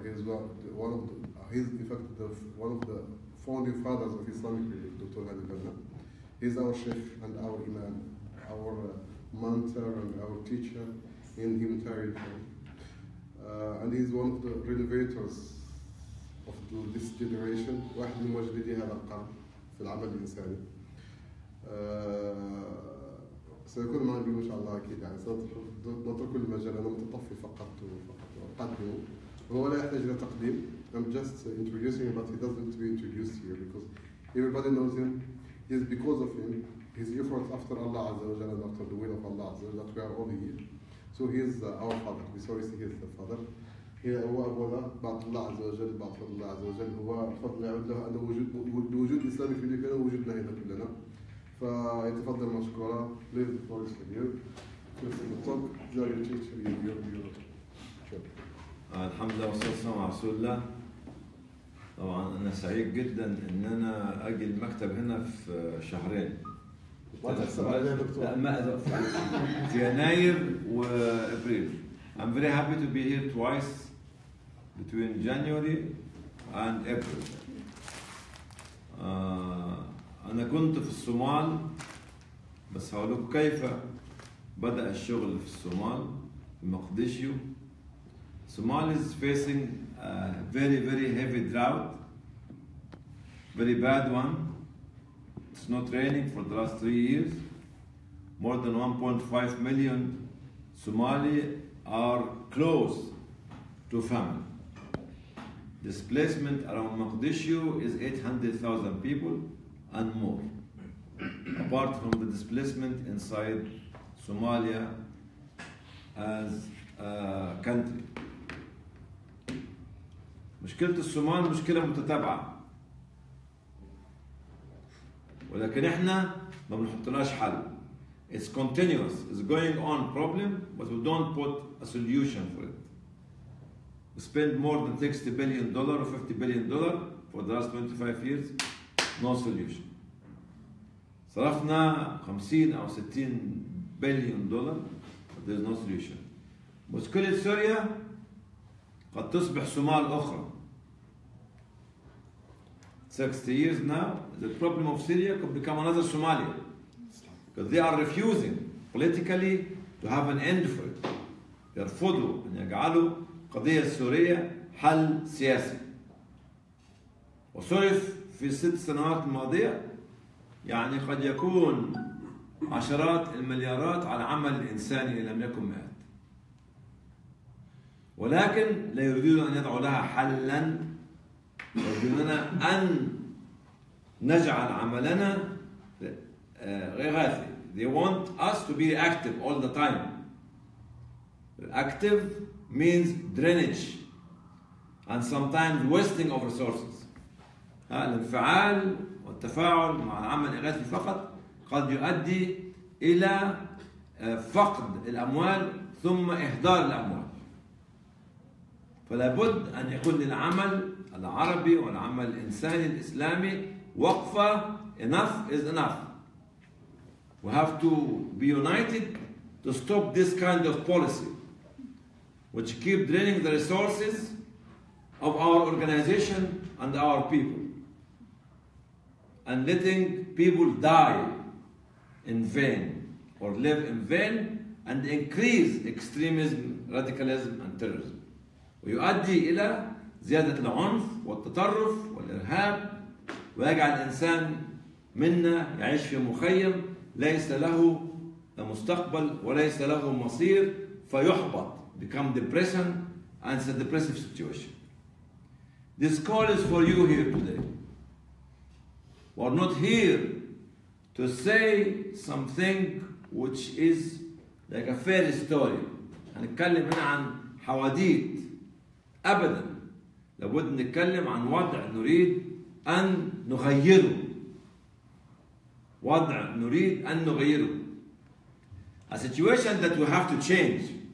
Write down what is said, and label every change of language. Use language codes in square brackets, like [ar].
[en] He is one of the founding fathers of Islamic religion, Dr. Hadi Banna. He is our sheikh and our imam, our mentor and our teacher in humanitarian. And he is one of the renovators of this generation. [ar] واحد من مجددي هذا القرن في العمل الإنساني. سيكون معنا اليوم إن شاء الله أكيد يعني سنترك المجال أنا متطفي فقط وأقدمه وهو لا يحتاج إلى تقديم. [en] I'm just introducing him but he doesn't need to be introduced here because everybody knows him. It is because of him, his efforts after Allah [ar] عز وجل [en] and after the will of Allah عز وجل that we are all here. So he is our father. We sorry to say he is the father. [ar] هو أبونا بعد الله عز وجل بعد الله عز وجل هو الفضل يعود له أنه وجود الإسلام في ليبيا ووجودنا هنا كلنا. فيتفضل مشكورا ليف بوليس كبير. الحمد لله والصلاة والسلام على رسول الله. طبعا أنا سعيد جدا إن أنا أجي المكتب هنا في شهرين. في يناير وأبريل. [en] I'm very happy to be here twice between January and April. [ar] أنا كنت في الصومال بس هقول لكم كيف بدأ الشغل في الصومال في مقديشيو. [en] الصومال is facing a very very heavy drought, very bad one. It's not raining for the last 3 years. More than 1.5 million Somali are close to famine. Displacement around مقديشيو is 800,000 people and more, apart from the displacement inside Somalia as a country. [ar] مشكلة الصومال مشكلة متتابعة ولكن احنا ما بنحطلاش حل. [en] It's continuous, it's going on problem, but we don't put a solution for it. We spend more than $60 billion or $50 billion for the last 25 years, no solution. [ar] صرفنا 50 أو 60 بليون دولار [en] but there's no solution. [ar] مشكلة سوريا قد تصبح صومال أخرى. [en] 60 years now the problem of Syria could become another Somalia because they are refusing politically to have an end for it. [ar] يرفضوا أن يجعلوا قضية سوريا حل سياسي. وصرف في 6 سنوات الماضية يعني قد يكون عشرات المليارات على عمل إنساني لم يكن مئات ولكن لا يريدون أن يدعوا لها حلا يريدوننا أن نجعل عملنا إغاثي. [en] They want us to be reactive all the time. Reactive means drainage and sometimes wasting of resources. [ar] الانفعال والتفاعل مع العمل الإغاثي فقط قد يؤدي إلى فقد الأموال ثم إهدار الأموال. فلا بد أن يكون للعمل العربي والعمل الإنساني الإسلامي وقفة. [en] Enough is enough. We have to be united to stop this kind of policy which keep draining the resources of our organization and our people. and letting people die in vain or live in vain and increase extremism, radicalism and terrorism. [ar] ويؤدي إلى زيادة العنف والتطرف والإرهاب ويجعل الإنسان منا يعيش في مخيم ليس له مستقبل وليس له مصير فيحبط [en] become depressing and it's a depressive situation. This call is for you here today. We're not here to say something which is like a fairy story. [ar] هنتكلم هنا عن حواديت أبدا. لابد نتكلم عن وضع نريد أن نغيره. وضع نريد أن نغيره. [en] A situation that we have to change.